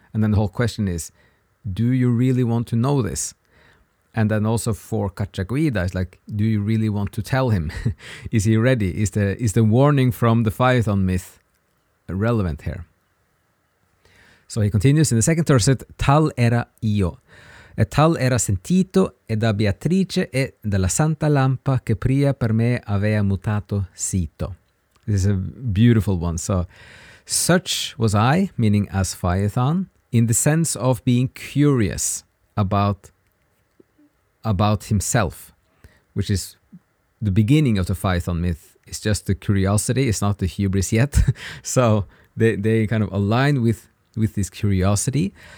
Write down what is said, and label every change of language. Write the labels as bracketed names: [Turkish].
[English] And then the whole question is, do you really want to know this? And then also for Cacciaguida, it's like, do you really want to tell him? Is he ready? Is the warning from the Phaethon myth relevant here? So he continues in the second tercet, [Italian] tal era io. E tal era sentito e da Beatrice e della Santa Lampa che pria per me avea mutato sito. [English] This is a beautiful one. So, such was I, meaning as Phaethon, in the sense of being curious about himself, which is the beginning of the Phaethon myth. It's just the curiosity. It's not the hubris yet. So they kind of align with this curiosity.